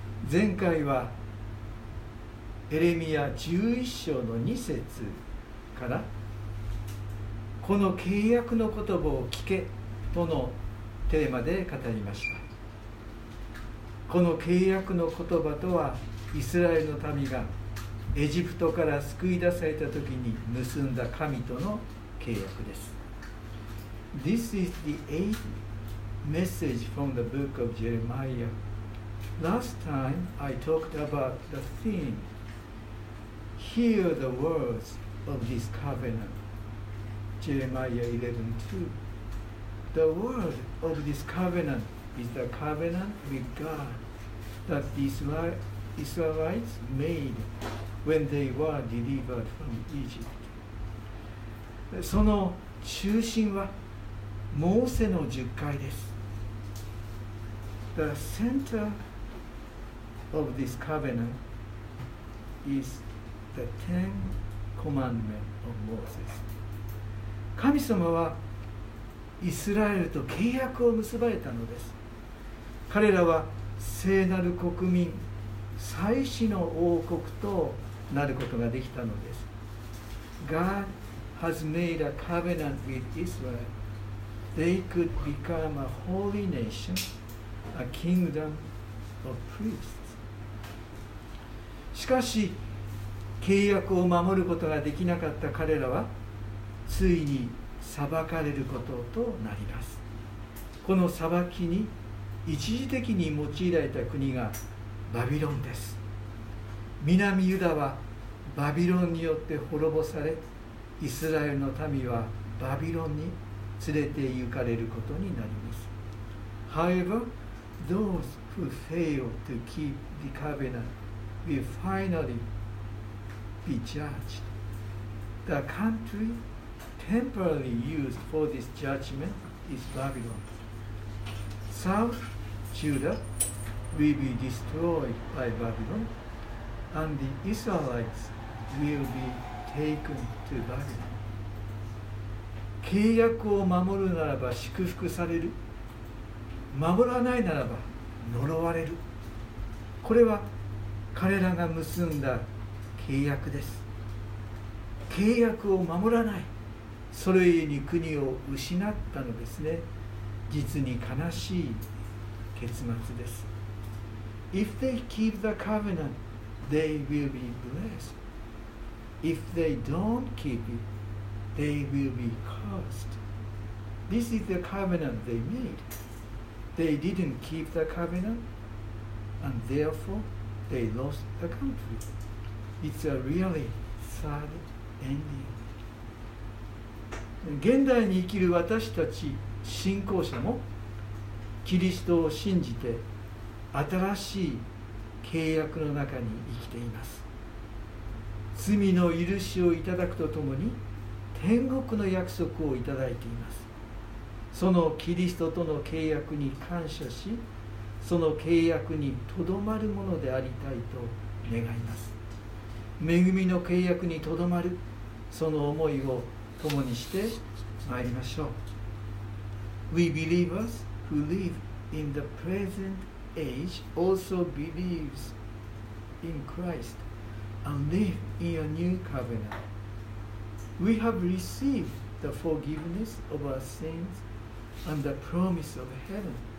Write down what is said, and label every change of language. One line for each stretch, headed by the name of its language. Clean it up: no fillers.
Japanese: 前回はエレミア11章の2節からこの契約の言葉を聞けとのテーマで語りました。この契約の言葉とは、イスラエルの民がエジプトから救い出された時に結んだ神との契約です。
English: This is the eighth message from the book of Jeremiah. Last time I talked about the theme Hear the words of this covenant. Jeremiah 11:2. The word of this covenant is the covenant with God that the Israelites made when they were delivered from Egypt.
Japanese: その中心はモーセの十戒です。
English: The center of this covenant is the Ten Commandments of Moses.
Japanese: 神様はイスラエルと契約を結ばれたのです。彼らは聖なる国民、祭司の王国となることができたのです。
English: God has made a covenant with Israel. They could become a holy nation, a kingdom of priests.
Japanese: しかし、契約を守ることができなかった彼らは、ついに裁かれることとなります。この裁きに一時的に用いられた国がバビロンです。南ユダはバビロンによって滅ぼされ、イスラエルの民はバビロンに連れて行かれることになります。
English: However, those who failed to keep the covenant will finally be judged. The country temporarily used for this judgment is Babylon. South Judah will be destroyed by Babylon, and the Israelites will be taken to Babylon.
Japanese: 契約を守るならば祝福される。守らないならば呪われる。これは彼らが結んだ契約です。契約を守らない。それゆえに国を失ったのですね。実に悲しい結末です。
English: If they keep the covenant, they will be blessed. If they don't keep it, they will be cursed. This is the covenant they made. They didn't keep the covenant, and therefore they lost the country. It's a really sad ending.
Japanese: 現代に生きる私たち信仰者も、キリストを信じて新しい契約の中に生きています。罪の許しをいただくとともに天国の約束をいただいています。そのキリストとの契約に感謝し、その契約にとどまるものでありたいと願います。恵みの契約にとどまる、その思いを共にしてまいりましょう。
English: We believers who live in the present age also believes in Christ and live in a new covenant. We have received the forgiveness of our sins and the promise of heaven.